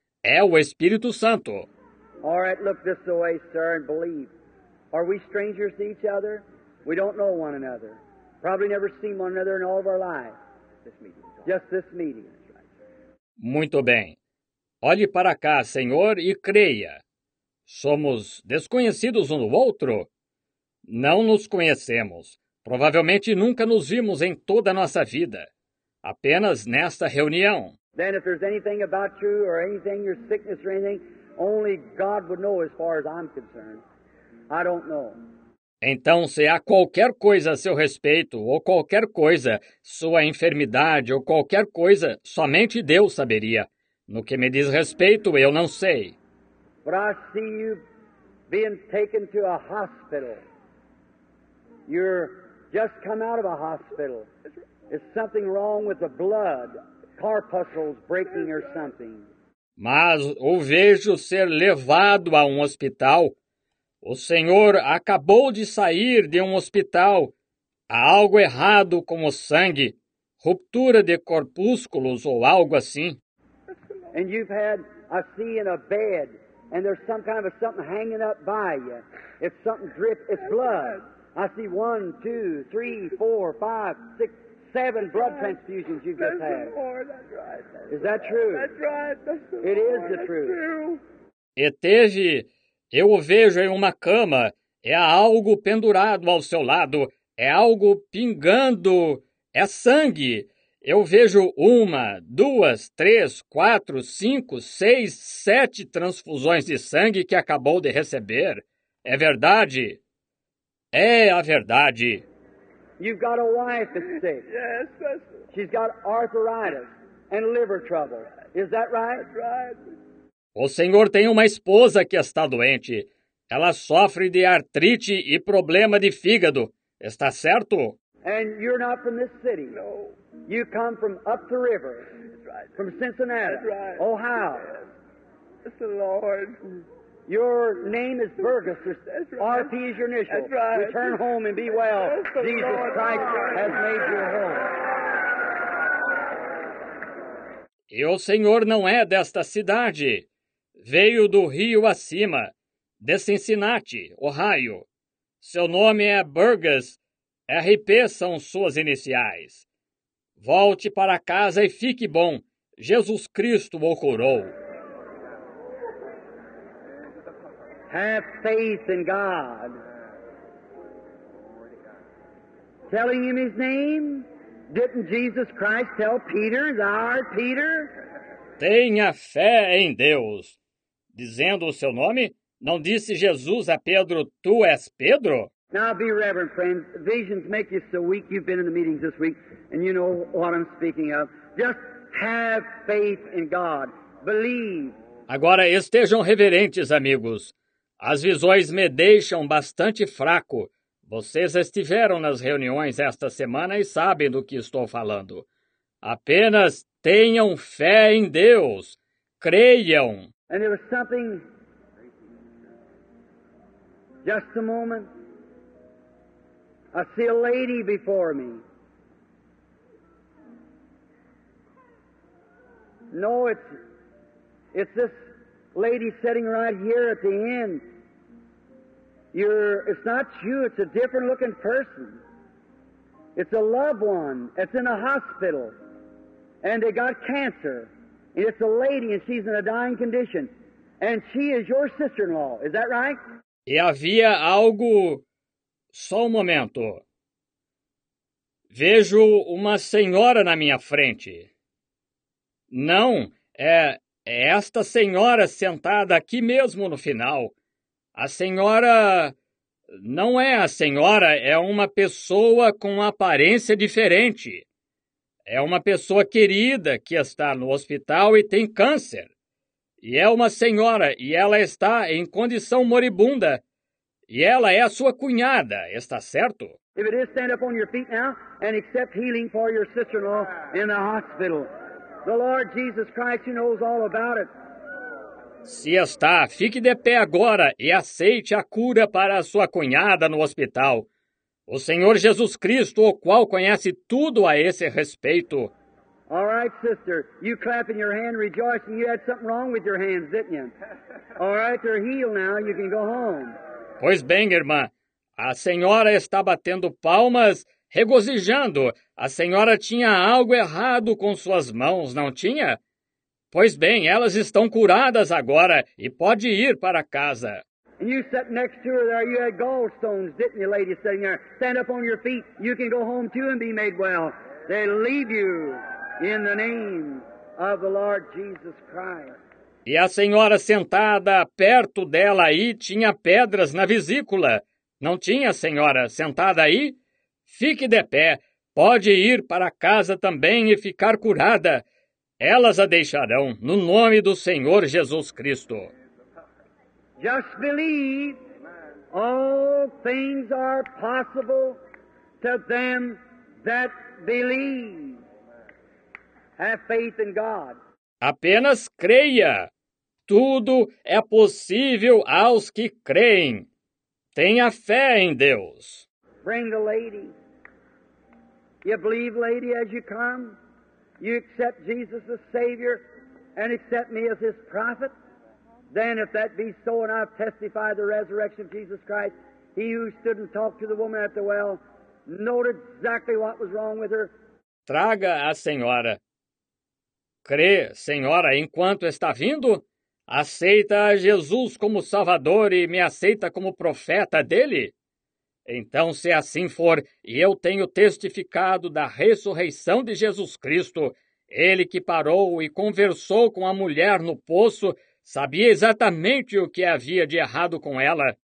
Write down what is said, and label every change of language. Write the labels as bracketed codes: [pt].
[pt] É o Espírito Santo. [en] All right, look this way, sir, and believe. Are we strangers to each other? We don't know one another. Probably never seen one another in all of our lives. Just this meeting. [pt] Muito bem. Olhe para cá, senhor, e creia. Somos desconhecidos um do outro? Não nos conhecemos. Provavelmente nunca nos vimos em toda a nossa vida. Apenas nesta reunião. [en] Then if there's anything about you or anything, your sickness or anything, only God would know as far as I'm concerned. I don't know. [pt] Então, se há qualquer coisa a seu respeito, ou qualquer coisa, sua enfermidade, ou qualquer coisa, somente Deus saberia. No que me diz respeito, eu não sei. [en] But I see you being taken to a hospital. You're just come out of a hospital. Is something wrong with the blood? Corpuscles breaking or something. [pt] Mas o vejo ser levado a um hospital. O senhor acabou de sair de um hospital. Há algo errado com o sangue. Ruptura de corpúsculos ou algo assim. [en] And you've had a sea in a bed. And there's some kind of something hanging up by you. If something drips, it's blood. I see 1, 2, 3, 4, 5, 6, 7 blood transfusions you've just had. Is that true? That's right. It is the truth. [pt] E teve, eu o vejo em uma cama, é algo pendurado ao seu lado, é algo pingando, é sangue. Eu vejo 1, 2, 3, 4, 5, 6, 7 transfusões de sangue que acabou de receber. É verdade? É a verdade. [en] You've got a wife that's sick. Yes, that's... She's got arthritis and liver trouble. Is that right? That's right. [pt] O senhor tem uma esposa que está doente. Ela sofre de artrite e problema de fígado. Está certo? [en] And you're not from this city. No. You come from up the river, right. From Cincinnati, right. Ohio. Yes. The Lord. Your name is Burgess. That's right. RP is your initial. That's right. Return home and be well. Jesus Lord. Christ has made you whole. [pt] E o senhor não é desta cidade. Veio do rio acima, de Cincinnati, Ohio. Seu nome é Burgess. RP são suas iniciais. Volte para casa e fique bom. Jesus Cristo o curou. [en] Have faith in God. Telling him his name? Didn't Jesus Christ tell Peter, our Peter? [pt] Tenha fé em Deus. Dizendo o seu nome, não disse Jesus a Pedro, tu és Pedro? [en] Now be reverent, friends. Visions make you so weak. You've been in the meetings this week, and you know what I'm speaking of. Just have faith in God. Believe. [pt] Agora estejam reverentes, amigos. As visões me deixam bastante fraco. Vocês estiveram nas reuniões esta semana e sabem do que estou falando. Apenas tenham fé em Deus. Creiam. [en] And there was something... Just a moment. I see a lady before me. No, it's this lady sitting right here at the end. It's not you, it's a different looking person. It's a loved one that's in a hospital and they got cancer. And it's a lady and she's in a dying condition. And she is your sister-in-law, is that right? [pt] E havia algo... Só um momento. Vejo uma senhora na minha frente. Não, é esta senhora sentada aqui mesmo no final. A senhora não é a senhora, é uma pessoa com uma aparência diferente. É uma pessoa querida que está no hospital e tem câncer. E é uma senhora e ela está em condição moribunda. E ela é a sua cunhada, está certo? [en] If it is, stand up on your feet now and accept healing for your sister-in-law in the hospital. The Lord Jesus Christ, you knows all about it. [pt] Se está, fique de pé agora e aceite a cura para a sua cunhada no hospital. O Senhor Jesus Cristo, o qual conhece tudo a esse respeito. [en] All right, sister, you clapping your hand, rejoicing, you had something wrong with your hands, didn't you? All right, they're healed now, you can go home. [pt] Pois bem, irmã, a senhora está batendo palmas, regozijando. A senhora tinha algo errado com suas mãos, não tinha? Pois bem, elas estão curadas agora e pode ir para casa. [en] And you sat next to her there, you had gallstones, didn't you, lady sitting there? Stand up on your feet, you can go home too and be made well. They leave you in the name of the Lord Jesus Christ. [pt] E a senhora sentada perto dela aí tinha pedras na vesícula. Não tinha, senhora, sentada aí? Fique de pé. Pode ir para casa também e ficar curada. Elas a deixarão no nome do Senhor Jesus Cristo. [en] Just believe all things are possible to them that believe. Have faith in God. [pt] Apenas creia. Tudo é possível aos que creem. Tenha fé em Deus. [en] Bring the lady. You believe, lady, as you come, you accept Jesus as Savior and accept me as His prophet. Then, if that be so, and I testify the resurrection of Jesus Christ, He who stood and talked to the woman at the well noted exactly what was wrong with her. [pt] Traga a senhora. Crê, senhora, enquanto está vindo? Aceita a Jesus como Salvador e me aceita como profeta dele? Então, se assim for, e eu tenho testificado da ressurreição de Jesus Cristo, ele que parou e conversou com a mulher no poço, sabia exatamente o que havia de errado com ela.